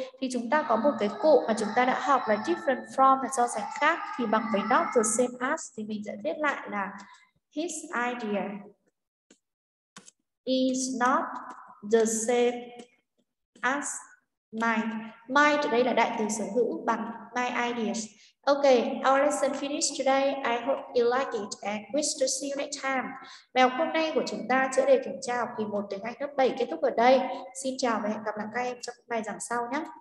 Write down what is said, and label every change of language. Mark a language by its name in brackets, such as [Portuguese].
[Vietnamese] Thì chúng ta có một cái cụ mà chúng ta đã học là [English] different from, [Vietnamese] là so sánh khác, thì bằng với [English] not the same as [Vietnamese] thì mình sẽ viết lại là [English] his idea is not the same as my. [Vietnamese] My đây là đại từ sở hữu, bằng [English] my ideas. Okay, our lesson finished today. I hope you like it and wish to see you next time. [Vietnamese] Bài học hôm nay của chúng ta chữa đề kiểm tra học kỳ 1 tiếng Anh lớp 7 kết thúc ở đây. Xin chào và hẹn gặp lại các em trong bài giảng sau nhé.